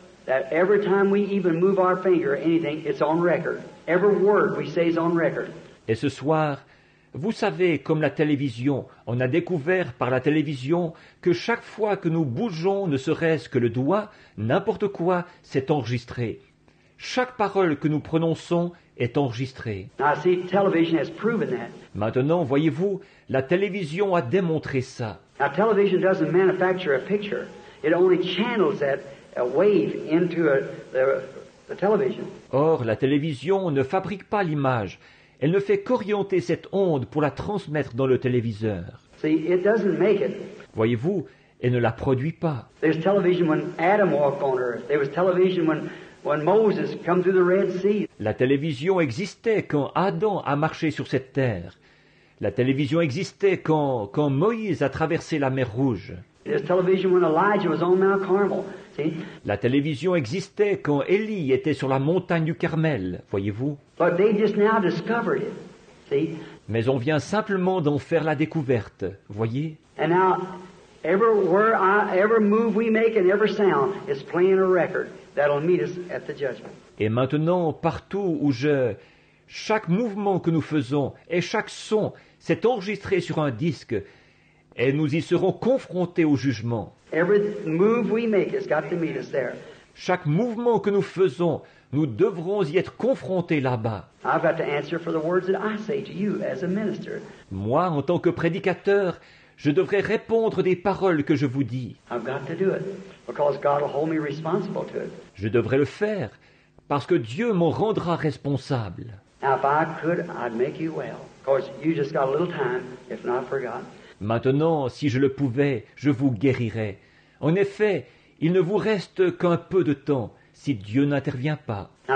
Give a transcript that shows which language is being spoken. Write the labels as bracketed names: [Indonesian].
[English] that every time we even move our finger or anything, it's on record. Every word we say is on record. [French] Et ce soir, vous savez, comme la télévision, on a découvert par la télévision que chaque fois que nous bougeons, ne serait-ce que le doigt, n'importe quoi, c'est enregistré. Chaque parole que nous prononçons est enregistrée. [English] Now, see, television has proven that. [French] Maintenant, voyez-vous, la télévision a démontré ça. La télévision ne manufacture pas une picture, elle [English] only channels that wave into the television. [French] Or, la télévision ne fabrique pas l'image. Elle ne fait qu'orienter cette onde pour la transmettre dans le téléviseur. [English] See, it doesn't make it. [French] Voyez-vous, elle ne la produit pas. [English] There's television when Adam walked on earth. There was television when Moses came through the Red Sea. [French] La télévision existait quand Adam a marché sur cette terre. La télévision existait quand Moïse a traversé la mer Rouge. [English] There's television when Elijah was on Mount Carmel. [French] La télévision existait quand Élie était sur la montagne du Carmel, voyez-vous. [English] But they just now discovered it. See? [French] Mais on vient simplement d'en faire la découverte, voyez. [English] And now, every move we make and every sound is playing a record that'll meet us at the judgment. [French] Et maintenant, partout où chaque mouvement que nous faisons et chaque son s'est enregistré sur un disque, et nous y serons confrontés au jugement. [English] Every move we make has got to meet us there. [French] Chaque mouvement que nous faisons, nous devrons y être confrontés là-bas. [English] I've got to answer for the words that I say to you as a minister. [French] Moi, en tant que prédicateur, je devrais répondre des paroles que je vous dis. [English] I've got to do it because God will hold me responsible to it. [French] Je devrais le faire parce que Dieu m'en rendra responsable. [English] Now, if I could, I'd make you well. Of course, you just got a little time, if not forgotten. [French] Maintenant, si je le pouvais, je vous guérirais. En effet, il ne vous reste qu'un peu de temps si Dieu n'intervient pas.